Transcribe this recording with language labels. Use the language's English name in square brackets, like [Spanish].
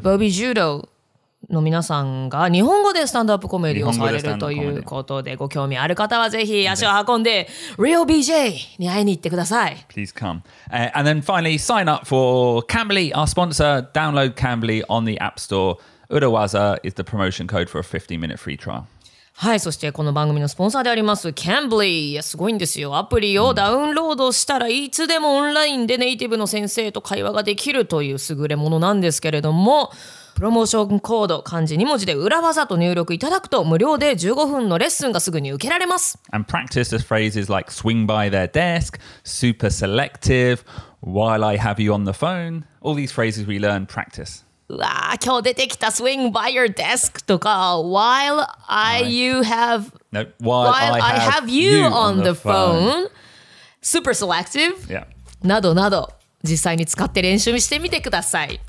[Japanese] Bobby Judoの皆さんが日本語でスタンドアップコメディをされるということでご興味ある方はぜひ足を運んで Real BJ に会いに行ってください。 [English] Please come. And then finally sign up for Cambly, our sponsor. Download Cambly on the App Store. Urawaza is the promotion code for a 15-minute free trial. [Japanese] はい、そしてこの番組のスポンサーであります Cambly。いや、すごいんですよ。アプリをダウンロードしたらいつでもオンラインでネイティブの先生と会話ができるという優れものなんですけれども。プロモーションコード漢字2文字で裏技と入力いただくと無料で15分のレッスンがすぐに受けられます。 [English] And practice the phrases like swing by their desk, super selective, while I have you on the phone. All these phrases we learn, practice. [Japanese] うわー、今日出てきた [English] swing by your desk [Japanese] とか [English] while I you have no, while I have you on the phone, super selective、 yeah. [Japanese] などなど実際に使って練習してみてください。